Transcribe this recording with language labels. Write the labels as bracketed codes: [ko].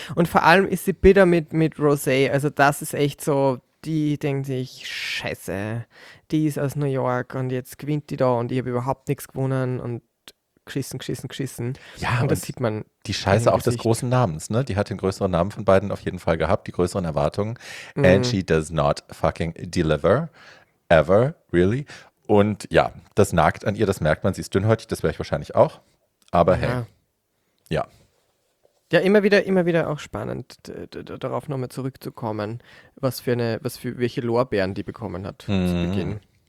[de] Und vor allem ist sie bitter mit Rosé. Also das ist echt so, die denkt sich, scheiße, die ist aus New York und jetzt gewinnt die da und ich habe überhaupt nichts gewonnen und geschissen. Ja, und das sieht man. Die Scheiße auch des großen Namens, ne? Die hat den größeren Namen von beiden auf jeden Fall gehabt, die größeren Erwartungen. Mhm. [en] And she does not fucking deliver. Ever, really. [de] Und ja, das nagt an ihr, das merkt man. Sie ist dünnhäutig, das wäre ich wahrscheinlich auch. Aber hey. Ja. Ja, immer wieder auch spannend, darauf nochmal zurückzukommen, welche Lorbeeren die bekommen hat zu Beginn.